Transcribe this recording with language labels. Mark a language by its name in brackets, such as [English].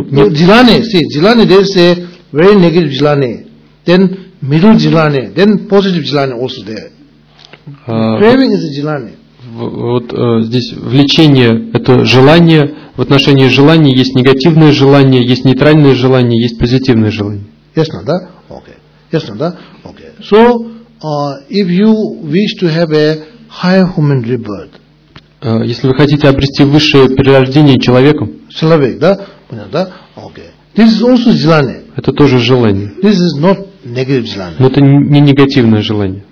[English] Jilane, see, jilane, there is a very negative jilane, then middle jilane, then positive jilane also there. Craving is a jilane. [Russian] Вот здесь влечение – это желание. В отношении желания есть негативное желание, есть нейтральное желание, есть позитивное желание. Ясно, да? [English] Okay. [Russian] Ясно, да? Okay. [English] So, if you wish to have a higher human rebirth, [Russian] если вы хотите обрести высшее перерождение человеком, человек, да? Понятно, да? [English] Okay. This is also [Russian] желание. Это тоже желание. [English] This is not negative желание. [Russian] Но это не негативное желание.